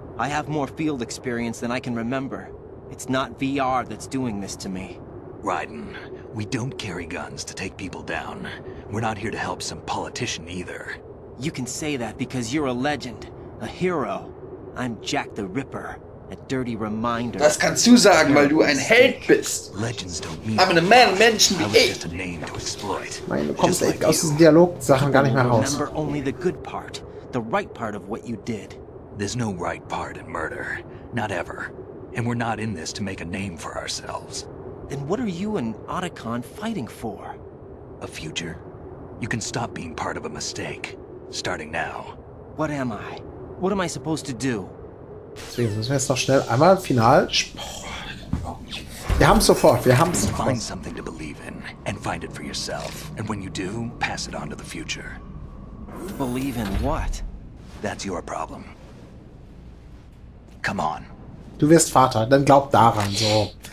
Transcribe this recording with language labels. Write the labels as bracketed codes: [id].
[en] I have more field experience than I can remember. It's not VR that's doing this to me. Raiden, we don't carry guns to take people down. We're not here to help some politician either. You can say that because you're a legend, a hero. I'm Jack the Ripper, A dirty reminder. [de] Das kannst du sagen, weil du ein Held bist. [en] Legends don't mean. [de] Aber ein Mann, Menschen wie ich. Meine, du kommst echt aus diesen Dialogsachen gar nicht mehr raus. [en] Remember only the good part, the right part of what you did. There's no right part in murder, not ever. And we're not in this to make a name for ourselves. Then what are you and Otacon fighting for? A future. You can stop being part of a mistake, starting now. What am I? What am I supposed to do? [de] Deswegen müssen wir jetzt noch schnell einmal final. Wir haben es sofort, wir haben es sofort. [en] Find something to believe in and find it for yourself. And when you do, pass it on to the future. Believe in what? That's your problem. Come on. [de] Du wirst Vater, dann glaub daran, so.